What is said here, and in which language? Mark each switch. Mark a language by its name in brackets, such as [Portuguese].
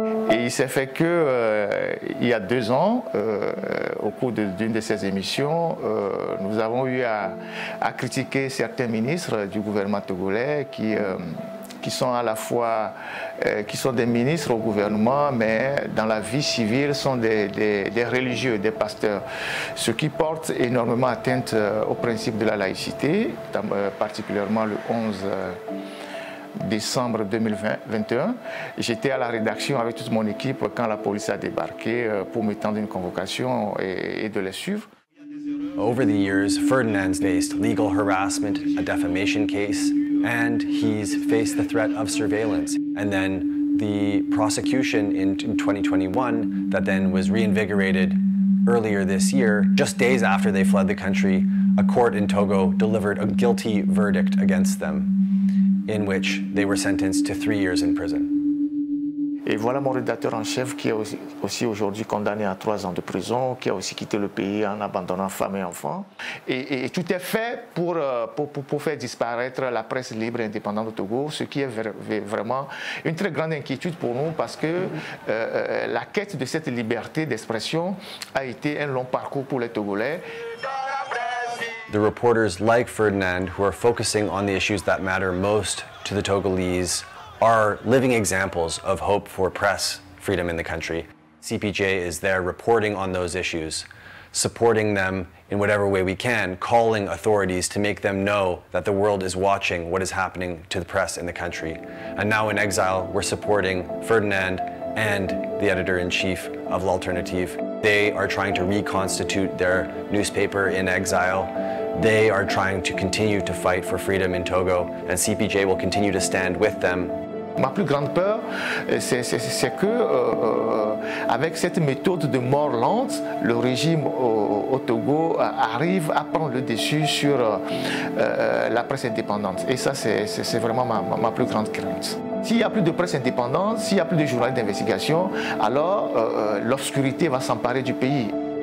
[French] Et il s'est fait que, il y a 2 ans, au cours d'une de ces émissions, nous avons eu à critiquer certains ministres du gouvernement togolais qui sont à la fois qui sont des ministres au gouvernement, mais dans la vie civile sont des religieux, des pasteurs, ce qui porte énormément atteinte au principe de la laïcité, particulièrement le 11 décembre 2021. J'étais à la rédaction avec toute mon équipe quand la police a débarqué pour m'étendre une convocation et de les suivre. [English] Over the years, Ferdinand's faced legal harassment, a defamation case, and he's faced the threat of surveillance. And then the prosecution in 2021 that then was reinvigorated earlier this year, just days after they fled the country, a court in Togo delivered a guilty verdict against them in which they were sentenced to 3 years in prison. Et voilà mon rédacteur en chef qui est aussi aujourd'hui condamné à 3 ans de prison, qui a aussi quitté le pays en abandonnant femme et enfants. Et tout est fait pour faire disparaître la presse libre et indépendante au Togo, ce qui est vraiment une très grande inquiétude pour nous parce que la quête de cette liberté d'expression a été un long parcours pour les Togolais. The reporters like Ferdinand, who are focusing on the issues that matter most to the Togolese, are living examples of hope for press freedom in the country. CPJ is there reporting on those issues, supporting them in whatever way we can, calling authorities to make them know that the world is watching what is happening to the press in the country. And now in exile, we're supporting Ferdinand and the editor-in-chief of L'Alternative. They are trying to reconstitute their newspaper in exile. They are trying to continue to fight for freedom in Togo, and CPJ will continue to stand with them. [French] Ma plus grande peur, c'est que avec cette méthode de mort lente, le régime au Togo arrive à prendre le dessus sur la presse indépendante. Et ça, c'est vraiment ma plus grande crainte. S'il n'y a plus de presse indépendante, s'il n'y a plus de journalistes d'investigation, alors l'obscurité va s'emparer du pays.